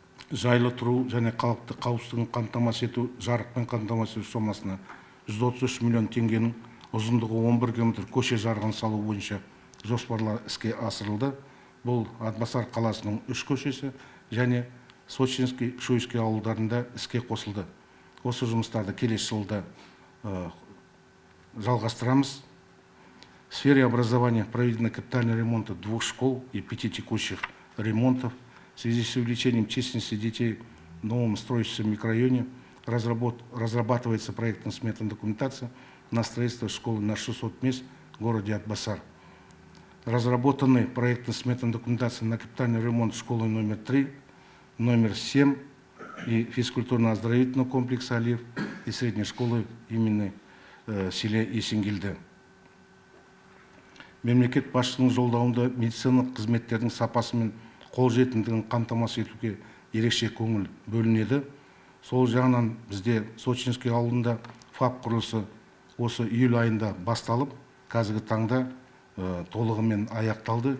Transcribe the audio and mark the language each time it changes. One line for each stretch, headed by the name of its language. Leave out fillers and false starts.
Kazakh: Жайлы тұру және халықты қауіпсіздігін қамтамасыз ету жарықпен қамтамасыз ету сомасына 133 миллион теңгенің ұзындығы 11 км көше жарығын салу бойынша жоспарлар іске асырылды. Бұл Атбасар қаласының 3 көшесі және Сочинский, Шуйский ауылдарында іске қосылды. Осы жұмыстарды келесі жылда жалғастырамыз.
Russian: В сфере образования проведены капитальные ремонты 2 школ и 5 текущих ремонтов. В связи с увеличением численности детей в новом строящемся микрорайоне разрабатывается проектно-сметная документация на строительство школы на 600 мест в городе Атбасар. Разработаны проектно-сметная документация на капитальный ремонт школы номер 3, номер 7 и физкультурно-оздоровительного комплекса «Алиев» и средней школы имени селе Есенгелді.
Kazakh: Мемлекет басшысының жолдауында медициналық қызметтердің сапасы мен қолжетімдігін қамтамасыз етуге ерекше көңіл бөлінеді. Сол жағынан бізде Сочинский ауылында ФАП құрылысы осы июль айында басталып, қазіргі таңда толығымен аяқталды.